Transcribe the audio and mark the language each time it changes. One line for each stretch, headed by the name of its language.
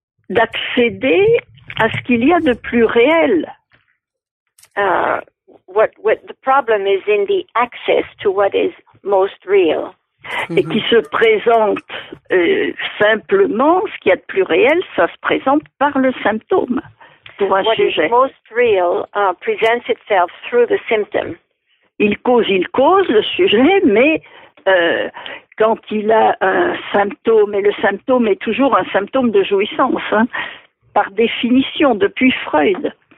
French: d'accéder à ce qu'il y a de plus réel.
English: What the problem is in the access to what is most real.
French: Et qui se présente simplement, ce qu'il y a de plus réel, ça se présente par le symptôme, pour un
English: what
French: sujet.
English: What is most real presents itself through the symptom.
French: Il cause le sujet, mais quand il a un symptôme, et le symptôme est toujours un symptôme de jouissance, hein, par définition, depuis Freud.